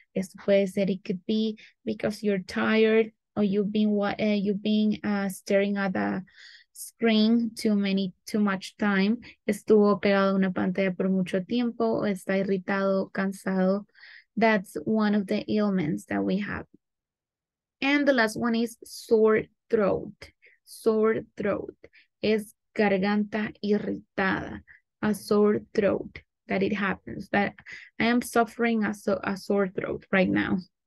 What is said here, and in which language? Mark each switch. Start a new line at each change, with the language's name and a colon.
Spanish: Esto puede ser,
English: it could be because you're tired or you've been staring at a screen too much time.
Spanish: Estuvo pegado a una pantalla por mucho tiempo o está irritado, cansado.
English: That's one of the ailments that we have. And the last one is sore throat.
Spanish: Sore throat es garganta irritada.
English: A sore throat. That it happens, that I am suffering a sore throat right now.